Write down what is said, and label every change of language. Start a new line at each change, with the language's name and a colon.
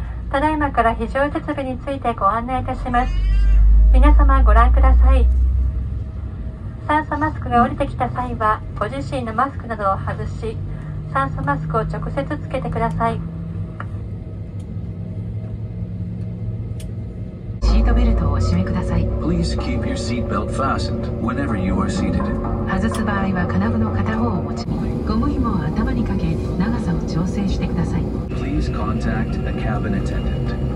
Japanese: ただいまから非常設備についてご案内いたします。皆様ご覧ください。酸素マスクが降りてきた際はご自身のマスクなどを外し、酸素マスクを直接つけてください。シートベルトをお締めください。
English: Please keep your seat belt fastened whenever you are seated.
Japanese: 外す場合は金具の片方を持ち、ゴム紐を頭にかけ長さを調整してください。
English: Please contact the cabin attendant.